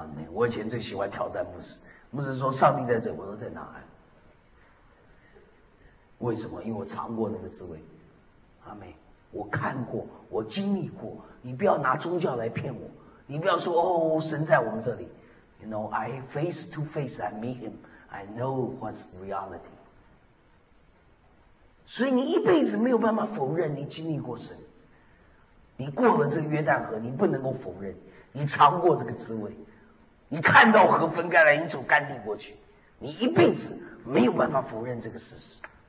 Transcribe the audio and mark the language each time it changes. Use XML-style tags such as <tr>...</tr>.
<zh>我以前最喜欢挑战牧师。牧师说上帝在这里，我说在哪？为什么？因为我尝过那个滋味。阿们。我看过，我经历过。你不要拿宗教来骗我，你不要说哦，神在我们这里。</zh> <en>You know, I face to face, I meet him, I know what's reality。</en> <zh>所以你一辈子没有办法否认你经历过神。你过了这个约旦河，你不能够否认你尝过这个滋味。你看到河分开来，你走干地过去，你一辈子没有办法否认这个事实。</zh>